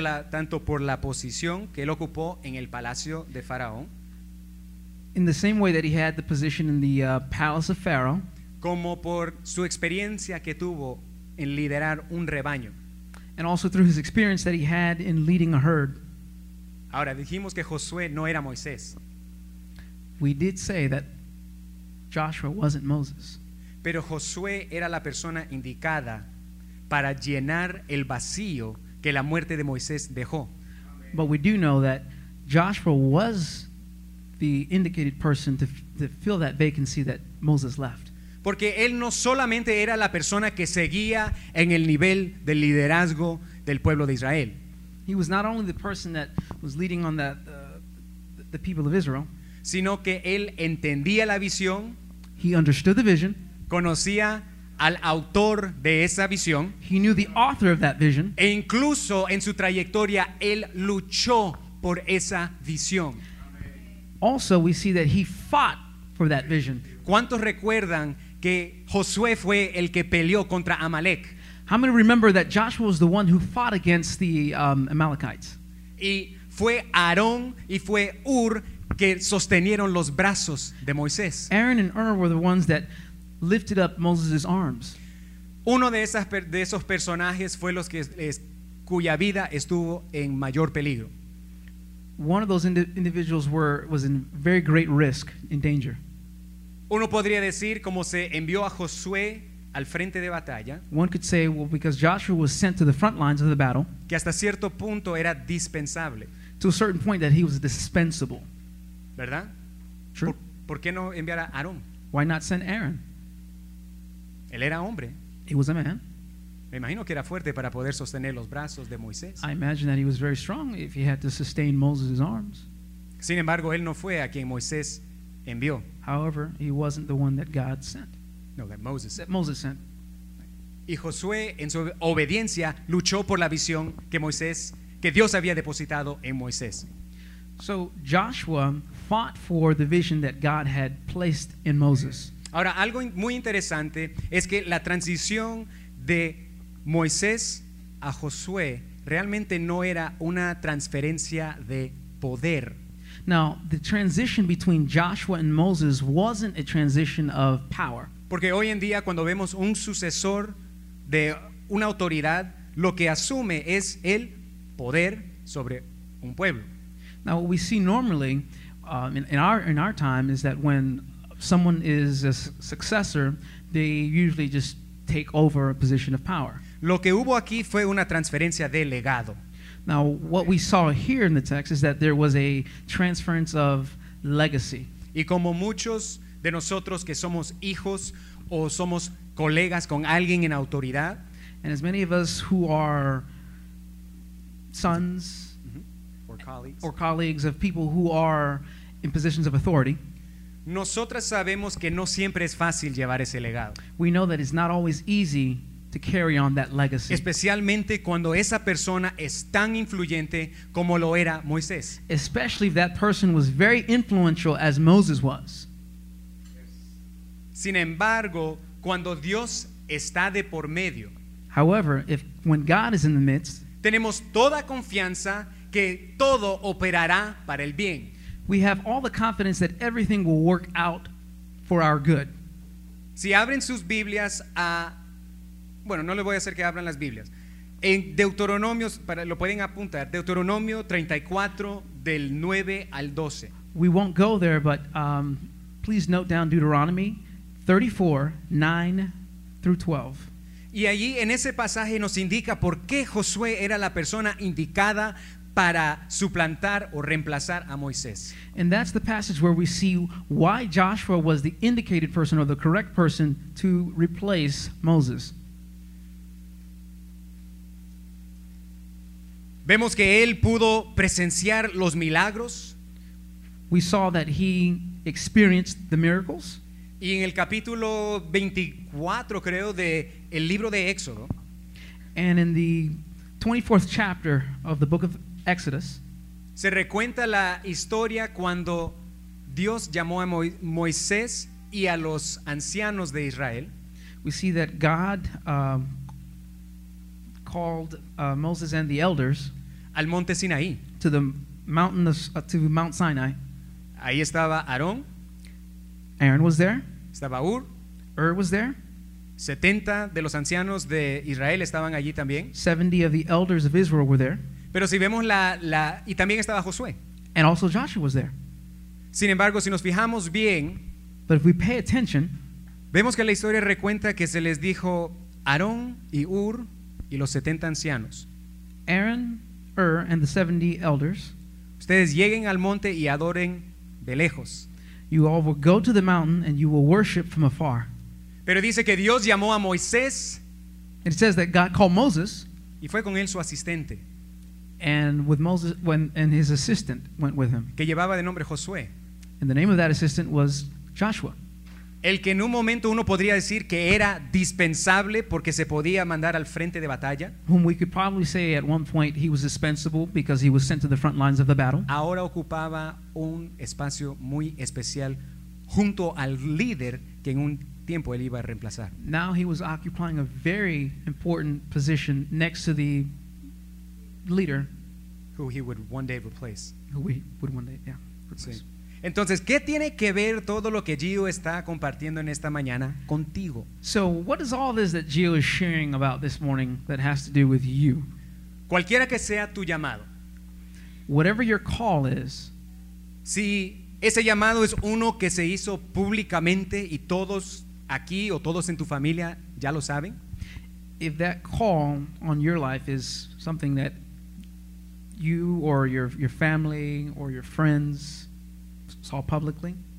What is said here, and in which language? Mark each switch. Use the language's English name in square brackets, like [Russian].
[Spanish] tanto por la posición que él ocupó en el palacio de Faraón. [English] In the same way that he had the position in the palace of Pharaoh. [Spanish] Como por su experiencia que tuvo en liderar un rebaño. [English] And also through his experience that he had in leading a herd. [Spanish] Ahora, dijimos que Josué no era Moisés. [English] We did say that Joshua wasn't Moses. [Spanish] Pero Josué era la persona indicada para llenar el vacío que la muerte de Moisés dejó. [English] But we do know that Joshua was the indicated person to fill that vacancy that Moses left. [Spanish] Porque él no solamente era la persona que seguía en el nivel de liderazgo del pueblo de Israel. [English] He was not only the person that was leading on that the people of Israel, [Spanish] sino que él entendía la visión. [English] He understood the vision. [Spanish] Conocía al autor de esa visión. [English] He knew the author of that vision. [Spanish] E incluso en su trayectoria él luchó por esa visión. [English] Also, we see that he fought for that vision. [Spanish] ¿Cuántos recuerdan que Josué fue el que peleó contra Amalek. [English] How many remember that Joshua was the one who fought against the Amalekites? [Spanish] Y fue Aarón y fue Ur que sostenieron los brazos de Moisés. [English] Aaron and Ur were the ones that lifted up Moses' arms. [Spanish] Uno de esas de esos personajes fue los que cuya vida estuvo en mayor peligro. [English] One of those individuals was in very great risk, in danger. [Spanish] Uno podría decir cómo se envió a Josué al frente de batalla. [English] One could say, well, because Joshua was sent to the front lines of the battle, [Spanish] que hasta cierto punto era dispensable. [English] To a certain point that he was dispensable. [Spanish] ¿Verdad? [English] True. [Spanish] ¿Por qué no enviar a Aarón? [English] Why not send Aaron? [Spanish] Él era hombre. [English] He was a man. [Spanish] Me imagino que era fuerte para poder sostener los brazos de Moisés. [English] I imagine that he was very strong if he had to sustain Moses' arms. [Spanish] Sin embargo, él no fue a quien Moisés envió. [English] However, he wasn't the one that God sent. No, that Moses. That Moses sent. [Spanish] Y Josué, en su obediencia, luchó por la visión que Moisés, que Dios había depositado en Moisés. [English] So Joshua fought for the vision that God had placed in Moses. [Spanish] Ahora, algo muy interesante es que la transición de Moisés a Josué realmente no era una transferencia de poder. [English] Now, the transition between Joshua and Moses wasn't a transition of power. [Spanish] Porque hoy en día, cuando vemos un sucesor de una autoridad, lo que asume es el poder sobre un pueblo. [English] Now, what we see normally in our time is that when someone is a successor, they usually just take over a position of power. [Spanish] Lo que hubo aquí fue una transferencia de legado. [English] Now, what we saw here in the text is that there was a transference of legacy. [Spanish] Y como muchos de nosotros que somos hijos o somos colegas con alguien en autoridad, [English] and as many of us who are sons or colleagues of people who are in positions of authority, [Spanish] nosotras sabemos que no siempre es fácil llevar ese legado. [English] We know that it's not always easy to carry on that legacy. [Spanish] Especialmente cuando esa persona es tan influyente como lo era Moisés. [English] Especially if that person was very influential as Moses was. [Spanish] Sin embargo, cuando Dios está de por medio, [English] however, if when God is in the midst, [Spanish] tenemos toda confianza que todo operará para el bien. [English] We have all the confidence that everything will work out for our good. [Spanish] Si abren sus Biblias a, bueno, no les voy a hacer que abran las Biblias. En Deuteronomios, lo pueden apuntar, Deuteronomio 34 del 9 al 12. [English] We won't go there, but please note down Deuteronomy 34, 9 through 12. [Spanish] Y allí en ese pasaje nos indica por qué Josué era la persona indicada para suplantar o reemplazar a Moisés. [English] And that's the passage where we see why Joshua was the indicated person or the correct person to replace Moses. [Spanish] Vemos que él pudo presenciar los milagros. [English] We saw that he experienced the miracles. [Spanish] Y en el capítulo 24, creo, de el libro de Éxodo. [English] And in the 24th chapter of the book of Exodus, [Spanish] se recuenta la historia cuando Dios llamó a Moisés y a los ancianos de Israel. [English] We see that God called Moses and the elders [Spanish] al monte Sinaí, [English] to the mountain of, to Mount Sinai. [Spanish] Ahí estaba Aarón. [English] Aaron was there. [Spanish] Estaba Ur. [English] Ur was there. [Spanish] 70 de los ancianos de Israel estaban allí también. [English] 70 of the elders of Israel were there. [Spanish] Pero si vemos la y también estaba Josué. [English] And also Joshua was there. [Spanish] Sin embargo, si nos fijamos bien, [English] but if we pay attention, [Spanish] vemos que la historia recuenta que se les dijo Aarón y Ur y los 70 ancianos. [English] Aaron, Ur and the 70 elders. [Spanish] Ustedes lleguen al monte y adoren de lejos. [English] You all will go to the mountain and you will worship from afar. [Spanish] Pero dice que Dios llamó a Moisés. [English] It says that God called Moses. [Spanish] Y fue con él su asistente. [English] And with Moses when and his assistant went with him. [Spanish] Que llevaba de nombre Josué. [English] And the name of that assistant was Joshua. [Spanish] El que en un momento uno podría decir que era dispensable porque se podía mandar al frente de batalla. [English] Whom we could probably say at one point he was dispensable because he was sent to the front lines of the battle. [Spanish] Ahora ocupaba un espacio muy especial junto al líder que en un tiempo él iba a reemplazar. [English] Now he was occupying a very important position next to the leader who he would one day replace. Who he would one day, yeah, replace. [Spanish] Sí. Entonces, ¿qué tiene que ver todo lo que Gio está compartiendo en esta mañana contigo? [English] So, what is all this that Gio is sharing about this morning that has to do with you? [Spanish] Cualquiera que sea tu llamado. [English] Whatever your call is. [Spanish] Si ese llamado es uno que se hizo públicamente y todos aquí o todos en tu familia ya lo saben. [English] If that call on your life is something that you or your family or your friends saw publicly.